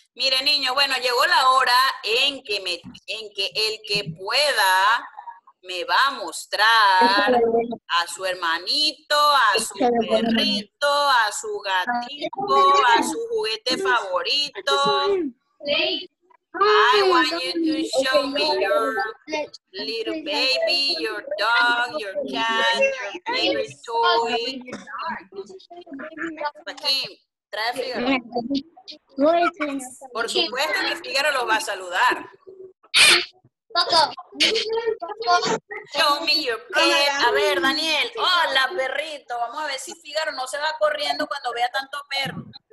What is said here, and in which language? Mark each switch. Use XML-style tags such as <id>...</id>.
<es>Mire, niño, bueno, llegó la hora en que me, en que el que pueda me va a mostrar a su hermanito, a su perrito, a su gatito, a su juguete favorito.</es> <en>I want you to show me your little baby, your dog, your cat, your favorite toy.</en> <es>Joaquín, trae a Figaro. Por supuesto que Figaro lo va a saludar.</es> <en>Show me your pet.</en> <es>A ver, Daniel. Hola, perrito. Vamos a ver si Figaro no se va corriendo cuando vea tanto perro.</es>